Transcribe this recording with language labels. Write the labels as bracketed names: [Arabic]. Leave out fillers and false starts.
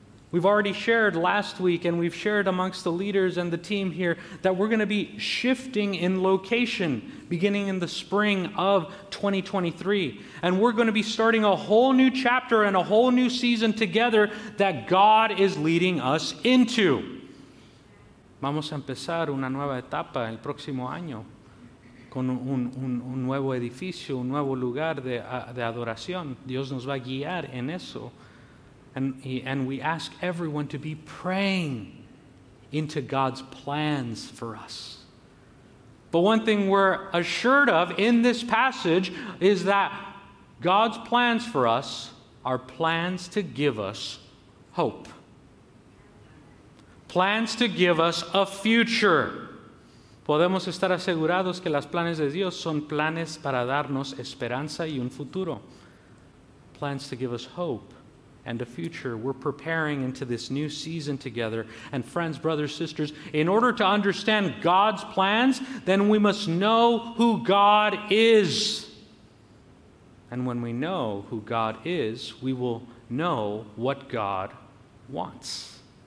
[English] We've already shared last week, and we've shared amongst the leaders and the team here, that we're going to be shifting in location beginning in the spring of 2023. And we're going to be starting a whole new chapter and a whole new season together that God is leading us into. [Spanish] Vamos a empezar una nueva etapa el próximo año con un nuevo edificio, un nuevo lugar de adoración. Dios nos va a guiar en eso. [English] And we ask everyone to be praying into God's plans for us. But one thing we're assured of in this passage is that God's plans for us are plans to give us hope. Plans to give us a future. [Spanish] Podemos estar asegurados que los planes de Dios son planes para darnos esperanza y un futuro. [English] Plans to give us hope and a future. We're preparing into this new season together. And friends, brothers, sisters, in order to understand God's plans, then we must know who God is. And when we know who God is, we will know what God wants.